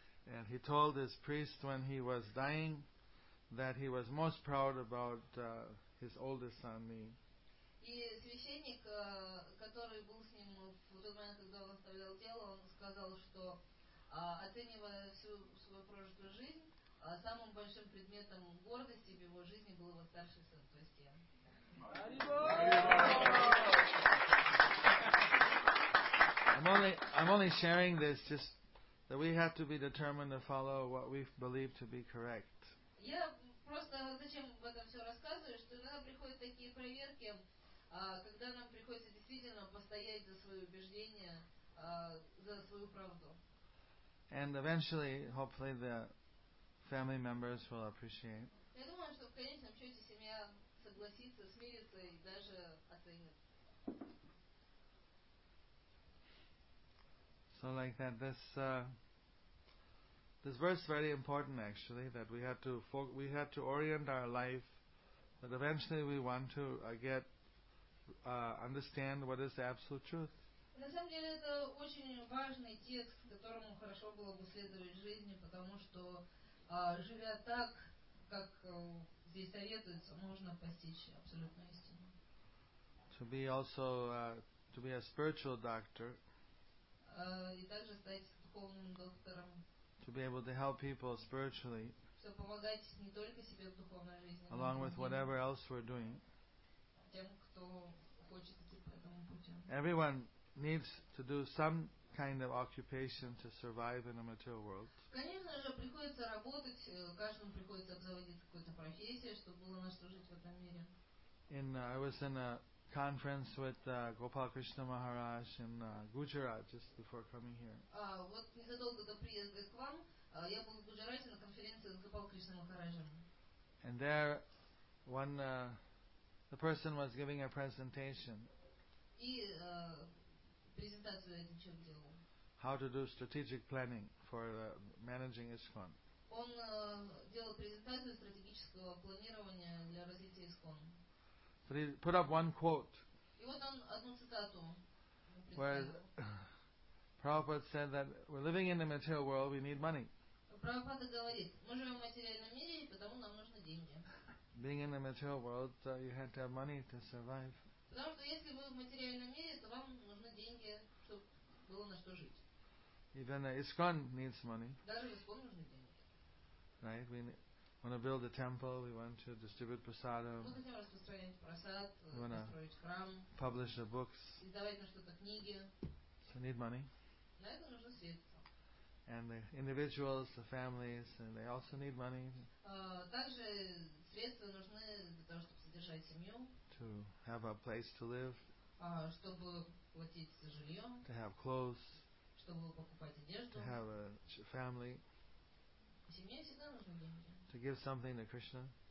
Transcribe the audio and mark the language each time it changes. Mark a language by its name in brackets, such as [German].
[English] And he told his priest when he was dying that he was most proud about his oldest son, me. [Russian] И священник, который был с ним в тот момент, когда он оставлял тело, он сказал, что оценивая всю свою прожитую жизнь, самым большим предметом гордости в его жизни был его старший сын, то есть я. [English] I'm only sharing this just that we have to be determined to follow what we believe to be correct. [Russian] Я просто зачем об этом все рассказываю, что иногда приходят такие проверки. Когда нам приходится действительно постоять за свои убеждения, за свою правду. [English] And eventually, hopefully, the family members will appreciate. [Russian] Я думаю, что в конечном счете семья согласится, смирится и даже оценит. [English] So like that, this verse is very important, actually, that we have to orient our life, that eventually we want to get understand what is the absolute truth. [Russian] На самом деле это очень важный текст, которому хорошо было бы следовать в жизни, потому что живя так, как здесь советуется, можно постичь абсолютную истину. [English] To be also to be a spiritual doctor. [Russian] И также стать духовным доктором. [English] To be able to help people spiritually. [Russian] Чтобы помогать не только себе в духовной жизни. [English] Along with whatever else we're doing. [Russian] Тем, кто хочет идти по этому пути. [English] Everyone needs to do some kind of occupation to survive in a material world. [Russian] Конечно же, приходится работать, каждому приходится обзаводиться какой-то профессией, чтобы было на что жить в этом мире. [English] I was in a conference with Gopal Krishna Maharaj in Gujarat just before coming here. [Russian] Вот незадолго до приезда к вам, я был в Гуджарате на конференции с Гопал Кришна Махараджем. [English] And there one the person was giving a presentation. [Russian] И презентацию этим человек делал. [English] How to do strategic planning for managing ISKCON. [Russian] Он делал презентацию стратегического планирования для развития ISKCON. [English] But he put up one quote. [Russian] И вот он одну цитату. [English] Where Prabhupada said that we're living in the material world, we need money. [Russian] Прабхупада говорит, мы живем в материальном мире, и потому нам нужны деньги. [English] Being in the material world, you had to have money to survive. [Russian] Потому что если вы в материальном мире, то вам нужны деньги, чтобы было на что жить. [English] Even ISKCON needs money. [Russian] Даже ISKCON нужны деньги. [English] Right? We want to build a temple. We want to distribute prasadam. [Russian] Мы хотим распространять прасад, построить храм. [English] Publish the books. [Russian] Издавать на что-то книги. [English] So need money. [Russian] На это нужно средства. [English] And the individuals, the families, and they also need money. [Russian] Также средства нужны для того, чтобы содержать семью. [English] To have a place to live. [Russian] Чтобы платить за жилье. [English] To have clothes. [Russian] Чтобы покупать одежду. [English] To have a family. [Russian] Семье всегда нужны деньги. [English] To give something to Krishna.